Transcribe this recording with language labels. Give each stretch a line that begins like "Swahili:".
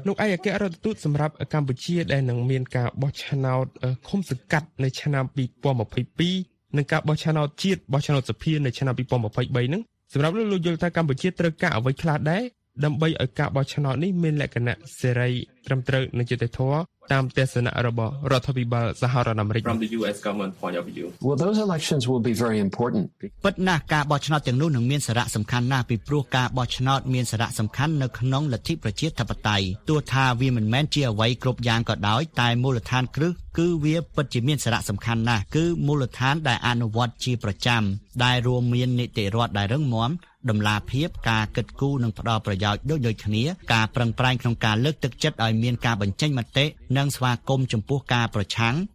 Khmer: លោកអគ្គរដ្ឋទូតសម្រាប់កម្ពុជាដែលនឹងមានការបោះឆ្នោតឃុំសង្កាត់នៅឆ្នាំ2022និងការបោះឆ្នោតជាតិបោះឆ្នោតសភានៅឆ្នាំ2023នឹងសម្រាប់លោកយល់ថាកម្ពុជាត្រូវការអ្វីខ្លះដែរដើម្បីឲ្យការបោះឆ្នោតនេះមានលក្ខណៈសេរីត្រឹមត្រូវនិងយុត្តិធម៌តាមទស្សនៈរបស់រដ្ឋាភិបាលសហរដ្ឋអាមេរិក
English: From the US government point of view Well those elections will be very important
Khmer: ប៉ុន្តែការបោះឆ្នោតទាំងនោះនឹងមានសារៈសំខាន់ណាស់ពីព្រោះការបោះឆ្នោតមានសារៈសំខាន់នៅក្នុងលទ្ធិប្រជាធិបតេយ្យទោះថាវាមិនមែនជាអ្វីគ្រប់យ៉ាងក៏ដោយតែមូលដ្ឋានគ្រឹះគឺវាពិតជាមានសារៈសំខាន់ណាស់គឺមូលដ្ឋានដែលអនុវត្តជាប្រចាំ ដែលរួមមាននីតិរដ្ឋដែលរឹងមាំដំណាភៀបការកិត្តគូនិងផ្ដល់ប្រយោជន៍ដូចដូចគ្នាការប្រឹងប្រែងក្នុងការលើកទឹកចិត្តឲ្យមានការបញ្ចេញមតិនិងស្វាគមន៍ចំពោះការប្រឆាំង